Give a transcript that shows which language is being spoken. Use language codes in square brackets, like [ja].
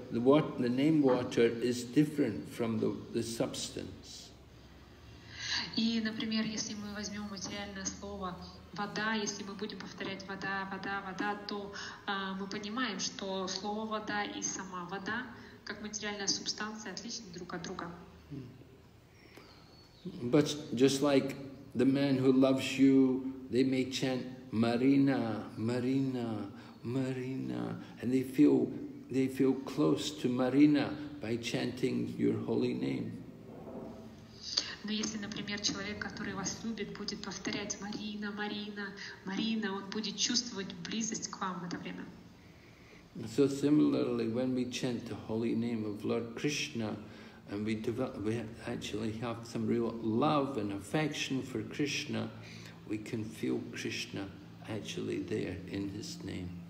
[en] The name water is different from the substance. [ru] И, например, если мы возьмем материальное слово вода, если мы будем повторять вода, вода, вода, то мы понимаем, что слово вода и сама вода как материальная субстанция отличны друг от друга. [en] But just like the man who loves you, they may chant Marina, Marina. Marina, and they feel close to Marina by chanting your holy name. [ru] Но если, например, человек, который вас любит, будет повторять Марина, Марина, Марина, он будет чувствовать близость к вам в это время. [en] So similarly, when we chant the holy name of Lord Krishna, and we actually have some real love and affection for Krishna, we can feel Krishna actually there in His name.